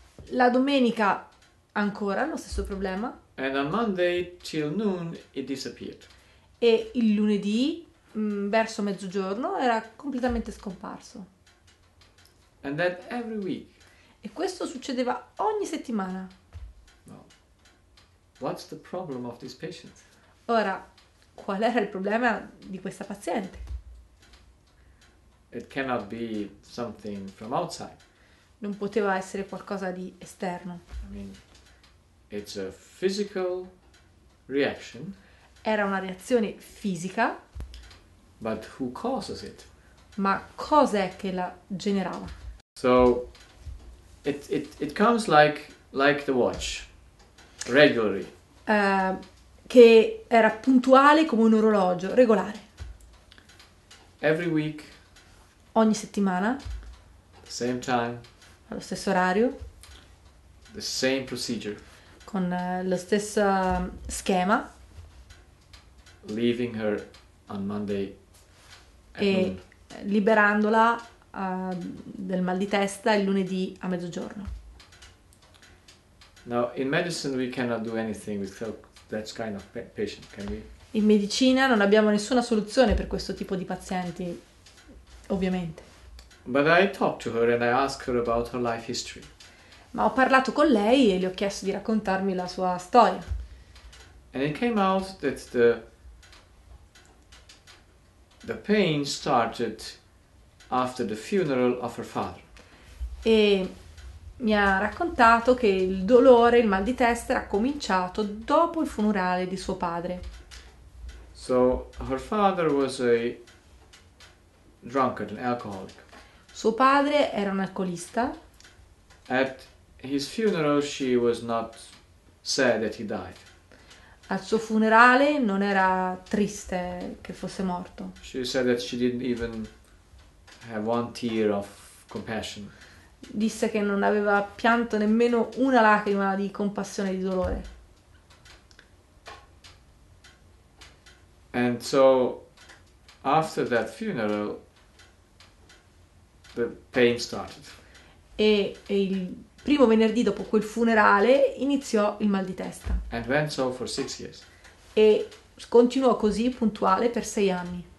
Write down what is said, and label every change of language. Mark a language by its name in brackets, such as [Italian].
[Italian] La domenica ancora lo stesso problema. E [English] And on Monday till noon it disappeared. [Italian] il lunedì, verso mezzogiorno era completamente scomparso. [English] And that every week. [Italian] E questo succedeva ogni settimana. [English] What's the problem of this patient? [Italian] Ora, qual era il problema di questa paziente? [English] It cannot be something from outside. [Italian] Non poteva essere qualcosa di esterno. [English] I mean, it's a physical reaction. [Italian] Era una reazione fisica. [English] But who causes it? [Italian] Ma cos'è che la generava? [English] So it comes like the watch, regularly. [Italian] Che era puntuale come un orologio, regolare. [English] Every week, [Italian] Ogni settimana, allo [English] same time, [Italian] stesso orario, [English] the same procedure. [Italian] con lo stesso schema. [English] Leaving her on Monday at noon. [Italian] E liberandola del mal di testa il lunedì a mezzogiorno. [English] Now, in medicine we cannot do anything without that kind of patient, can we? [Italian] In medicina non abbiamo nessuna soluzione per questo tipo di pazienti, ovviamente. [English] But I talked to her and I asked her about her life history. [Italian] Ma ho parlato con lei e le ho chiesto di raccontarmi la sua storia. [English] And it came out that the pain started after the funeral of her father. [Italian] E mi ha raccontato che il dolore, il mal di testa, era cominciato dopo il funerale di suo padre. [English] So her father was a drunkard, an alcoholic. [Italian] Suo padre era un alcolista. [English] At his funeral, she was not sad that he died. [Italian] Al suo funerale non era triste che fosse morto. [English] She said that she didn't even have one tear of compassion. [Italian] Disse che non aveva pianto nemmeno una lacrima di compassione e di dolore. [English] And so, after that funeral, the pain started. [Italian] E il primo venerdì dopo quel funerale iniziò il mal di testa. E [English] And went so for 6 years. [Italian] continuò così puntuale per 6 anni,